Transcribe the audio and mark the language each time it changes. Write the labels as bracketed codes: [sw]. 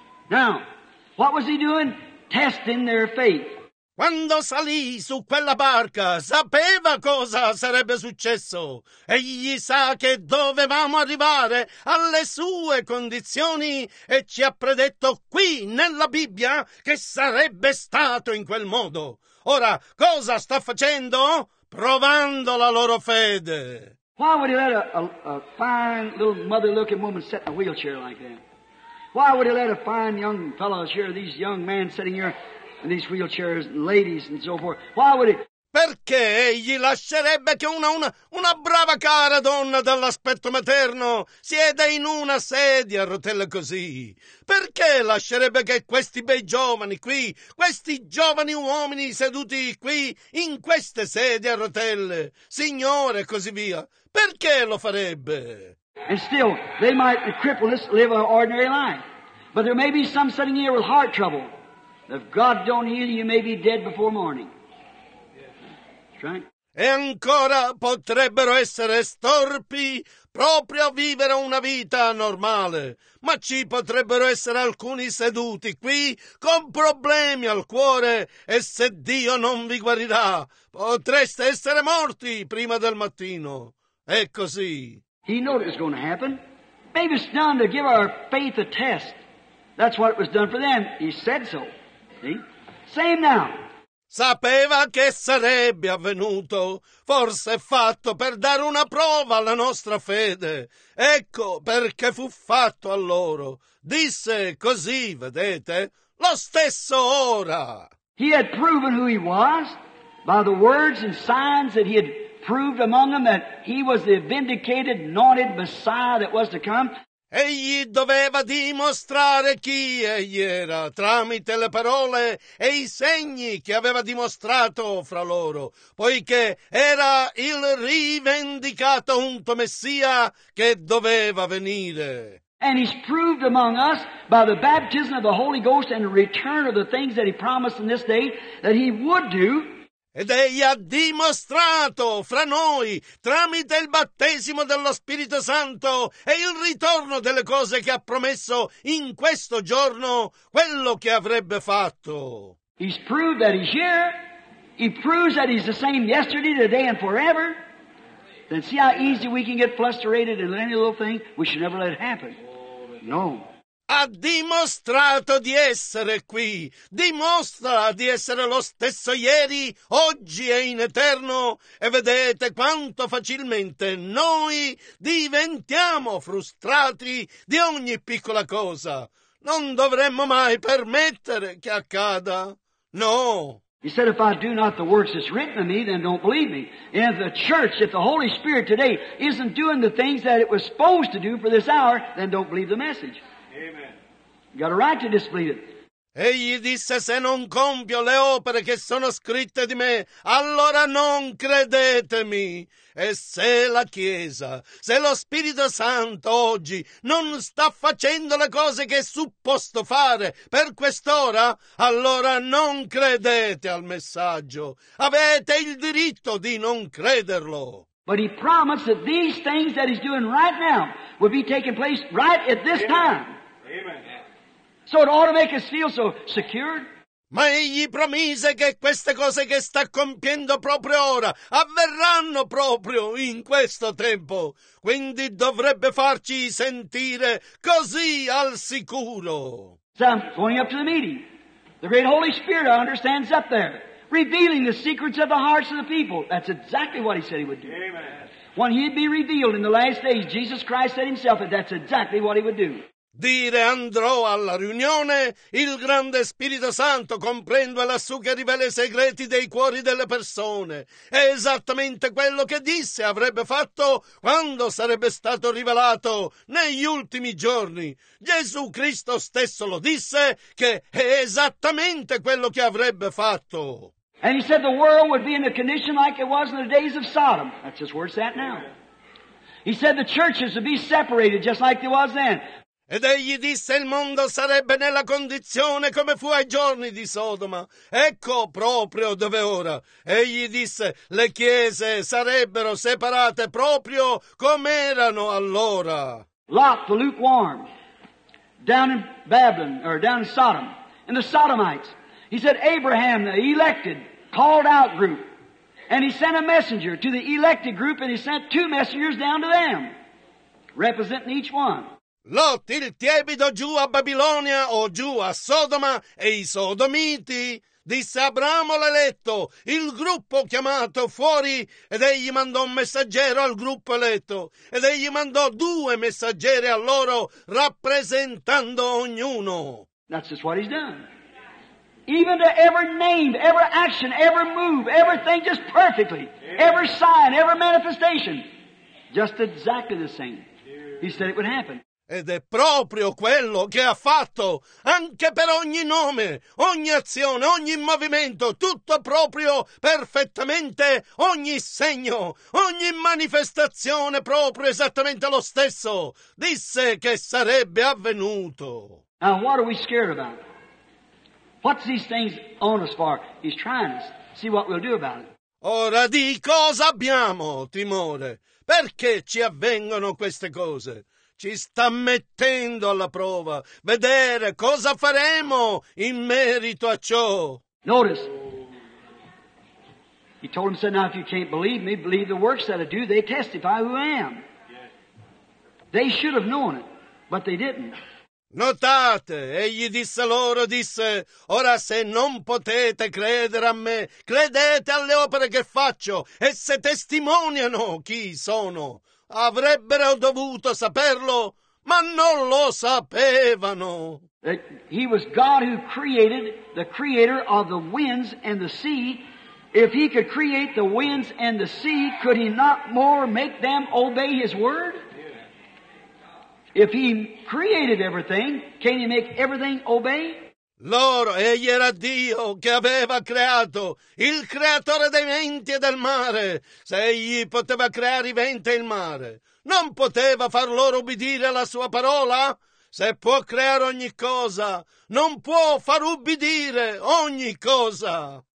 [en] Now, what was he doing? Testing their faith. [it] Quando salì su quella barca, sapeva cosa sarebbe successo. Egli sa che dovevamo arrivare alle sue condizioni e ci ha predetto qui nella Bibbia che sarebbe stato in quel modo. Ora, cosa sta facendo? Provando la loro fede. [en] Why would he let a fine little mother-looking woman sit in a wheelchair like that? Why would he let a fine young fellow here, these young men sitting here in these wheelchairs, ladies and so forth? Why would he? [it] Perché egli lascerebbe che una brava cara donna dall'aspetto materno sieda in una sedia a rotelle così? Perché lascerebbe che questi bei giovani qui, questi giovani uomini seduti qui in queste sedie a rotelle, signore e così via, perché lo farebbe? [en] And still, they might be crippled, live an ordinary life. But there may be some sitting here with heart trouble. If God don't heal you, you may be dead before morning. [it] E ancora potrebbero essere storpi proprio a vivere una vita normale, ma ci potrebbero essere alcuni seduti qui con problemi al cuore e se Dio non vi guarirà, potreste essere morti prima del mattino. È così. [en] He knew it was going to happen. Maybe it's done to give our faith a test. That's what it was done for them. He said so. See? Same now. [it] Sapeva che sarebbe avvenuto, forse fatto per dare una prova alla nostra fede. Ecco perché fu fatto a loro. Disse così, vedete, lo stesso ora. [en] He had proven who he was by the words and signs that he had proved among them that he was the vindicated, anointed Messiah that was to come. [it] Egli doveva dimostrare chi egli era tramite le parole e i segni che aveva dimostrato fra loro, poiché era il rivendicato unto Messia che doveva venire. [en] And he's proved among us by the baptism of the Holy Ghost and the return of the things that he promised in this day that he would do. [it] Ed egli ha dimostrato fra noi, tramite il battesimo dello Spirito Santo e il ritorno delle cose che ha promesso in questo giorno, quello che avrebbe fatto. [en] He's proved that he's here. He proves that he's the same yesterday, today and forever. Then see how easy we can get flustered in any little thing? We should never let it happen. No. [it] Ha dimostrato di essere qui, dimostra di essere lo stesso ieri, oggi e in eterno, e vedete quanto facilmente noi diventiamo frustrati di ogni piccola cosa. Non dovremmo mai permettere che accada. No. [en] He said, if I do not the works that's written in me, then don't believe me. And if the church, if the Holy Spirit today isn't doing the things that it was supposed to do for this hour, then don't believe the message. Amen. You got a right to disbelieve it. [it] Egli disse, se non compio le opere che sono scritte di me, allora non credetemi. E se la Chiesa, se lo Spirito Santo oggi non sta facendo le cose che è supposto fare per quest'ora, allora non credete al messaggio. Avete il diritto di non crederlo. [en] But he promised that these things that he's doing right now will be taking place right at this time. Amen. So it ought to make us feel so secured. [it] Ma egli promise che queste cose che sta compiendo proprio ora avverranno proprio in questo tempo. Quindi dovrebbe farci sentire così al sicuro. [en] So I'm going up to the meeting. The great Holy Spirit, I understand, is up there, revealing the secrets of the hearts of the people. That's exactly what he said he would do. Amen. When he'd be revealed in the last days, Jesus Christ said himself that that's exactly what he would do. [it] Dire andrò alla riunione, il grande Spirito Santo comprendo è lassù che rivela i segreti dei cuori delle persone. È esattamente quello che disse avrebbe fatto quando sarebbe stato rivelato negli ultimi giorni. Gesù Cristo stesso lo disse che è esattamente quello che avrebbe fatto. [en] And he said the world would be in a condition like it was in the days of Sodom. That's just where it's at now. He said the churches would be separated just like it was then. [it] Ed egli disse il mondo sarebbe nella condizione come fu ai giorni di Sodoma. Ecco proprio dove ora. Egli disse le chiese sarebbero separate proprio come erano allora. [en] Lot, the lukewarm, down in Babylon, or down in Sodom, and the Sodomites. He said Abraham, the elected, called out group. And he sent a messenger to the elected group, and he sent two messengers down to them, representing each one. [it] Lot, il tiepido, giù a Babilonia o giù a Sodoma, e i Sodomiti, disse Abramo l'eletto, il gruppo chiamato fuori, ed egli mandò un messaggero al gruppo eletto, ed egli mandò due messaggeri a loro, rappresentando ognuno. [en] That's just what he's done. Even to every name, every action, every move, everything just perfectly, every sign, every manifestation, just exactly the same. He said it would happen. [it] Ed è proprio quello che ha fatto, anche per ogni nome, ogni azione, ogni movimento, tutto proprio, perfettamente, ogni segno, ogni manifestazione, proprio esattamente lo stesso, disse che sarebbe avvenuto. [en] Now what are we scared about? What's these things on us for? He's trying to see what we'll do about it. [it] Ora di cosa abbiamo timore? Perché ci avvengono queste cose? Ci sta mettendo alla prova, vedere cosa faremo in merito a ciò. [en] Notice, he told him, said, now if you can't believe me, believe the works that I do, they testify who I am. They should have known it, but they didn't. [it] Notate, egli disse loro, disse, ora se non potete credere a me, credete alle opere che faccio, e se testimoniano chi sono. Avrebbero dovuto saperlo, ma non lo sapevano. [en] He was God who created, the creator of the winds and the sea. If he could create the winds and the sea, could he not more make them obey his word? If he created everything, can he make everything obey? [it] Loro, egli era Dio che aveva creato, il creatore dei venti e del mare. Se egli poteva creare i venti e il mare, non poteva far loro ubbidire la sua parola? Se può creare ogni cosa, non può far ubbidire ogni cosa.